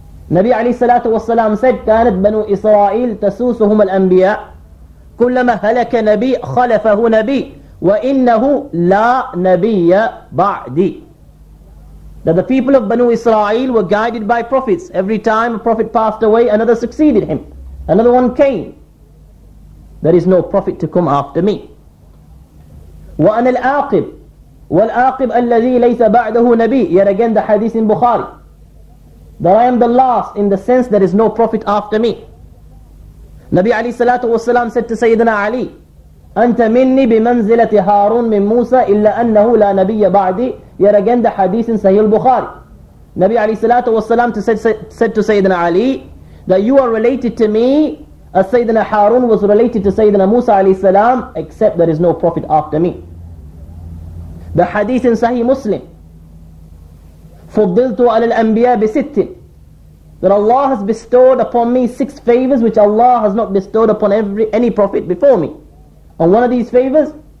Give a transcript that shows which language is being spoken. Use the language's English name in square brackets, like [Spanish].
[Arabic] Nabi alayhi salatu wasalam [English] said, [Arabic] kanat banu Israel tasusuhum al-anbiya, كلما هلك نبي خلفه نبي وإنه لا نبي بعدي. [English] That the people of Banu Israel were guided by prophets. Every time a prophet passed away, another succeeded him. Another one came. There is no prophet to come after me. [Arabic] وأنا الآقب والآقب الذي ليس بعده نبي. [English] Yet again the hadith in Bukhari. That I am the last in the sense there is no prophet after me. [Arabic] Nabi alayhi salatu wasalam [English] said to [Arabic] Sayyidina Ali, أنت مني بمنزلة هارون من موسى إلا أنه لا نبي بعدي. [English] Yet again the hadith in Sahih al-Bukhari. Nabi alayhi salatu wasalam said to Sayyidina Ali, that you are related to me as Sayyidina Harun was related to Sayyidina Musa alayhi salam, except there is no prophet after me. The hadith in Sahih Muslim, [Arabic] فضلت على الأنبياء بست, [English] that Allah has bestowed upon me 6 favors which Allah has not bestowed upon any prophet before me. And one of these favors,